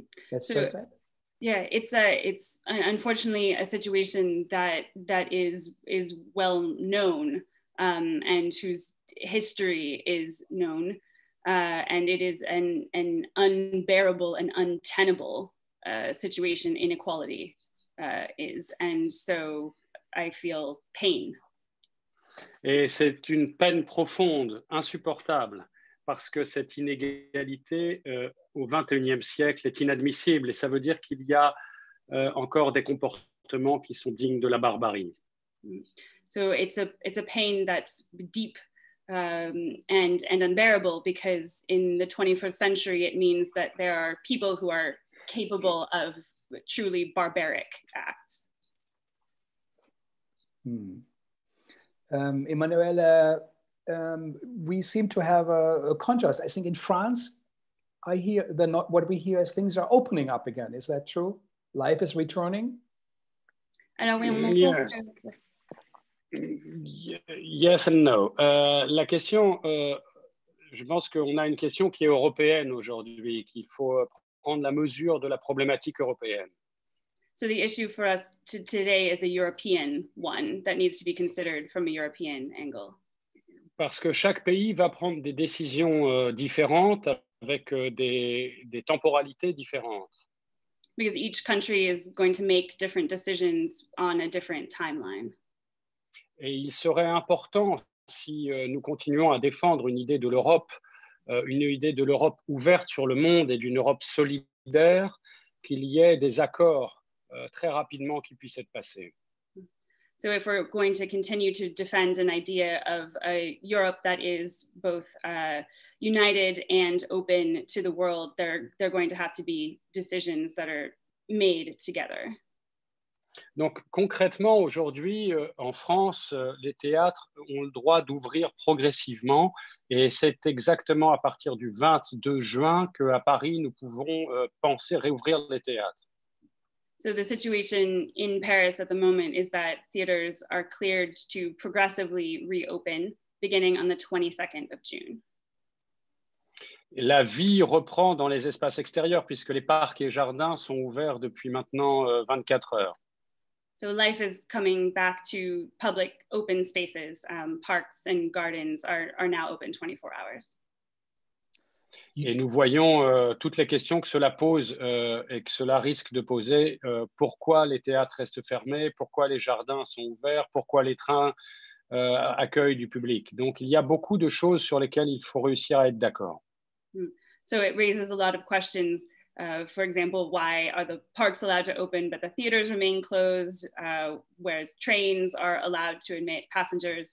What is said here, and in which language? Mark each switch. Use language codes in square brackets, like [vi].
[en] It's unfortunately a situation that is well known and whose history is known. And it is an unbearable and untenable situation inequality is. And so I feel pain. [fr] Et c'est une peine profonde, insupportable, parce que cette inégalité au XXIe siècle est inadmissible. Et ça veut dire qu'il y a encore des comportements qui sont dignes de la barbarie. [en] So it's a pain that's deep. And unbearable because in the 21st century it means that there are people who are capable of truly barbaric acts. Emmanuel, we seem to have a contrast. I think in France, I hear what we hear is things are opening up again. Is that true? Life is returning? Yes. Yes and no. [fr] La question, je pense qu'on a une question qui est européenne aujourd'hui, qu'il faut prendre la mesure de la problématique européenne. [en] So the issue for us today is a European one that needs to be considered from a European angle. [fr] Parce que chaque pays va prendre des décisions différentes avec des temporalités différentes. [en] Because each country is going to make different decisions on a different timeline. [fr] Et il serait important, si nous continuons à défendre une idée de l'Europe, une idée de l'Europe ouverte sur le monde et d'une Europe solidaire, qu'il y ait des accords très rapidement qui puissent être passés. [en] So if we're going to continue to defend an idea of a Europe that is both united and open to the world, they're going to have to be decisions that are made together. [fr] Donc concrètement, aujourd'hui, en France, les théâtres ont le droit d'ouvrir progressivement et c'est exactement à partir du 22 juin qu'à Paris, nous pouvons penser réouvrir les théâtres. [en] So the situation in Paris at the moment is that theaters are cleared to progressively reopen beginning on the 22nd of June. [fr] La vie reprend dans les espaces extérieurs puisque les parcs et jardins sont ouverts depuis maintenant 24 heures. [en] So life is coming back to public open spaces, parks and gardens are now open 24 hours. [fr] Et nous voyons toutes les questions que cela pose et que cela risque de poser. Pourquoi les théâtres restent fermés? Pourquoi les jardins sont ouverts? Pourquoi les trains accueillent du public? Donc, il y a beaucoup de choses sur lesquelles il faut réussir à être d'accord. [en] So it raises a lot of questions. For example, why are the parks allowed to open but the theaters remain closed, whereas trains are allowed to admit passengers?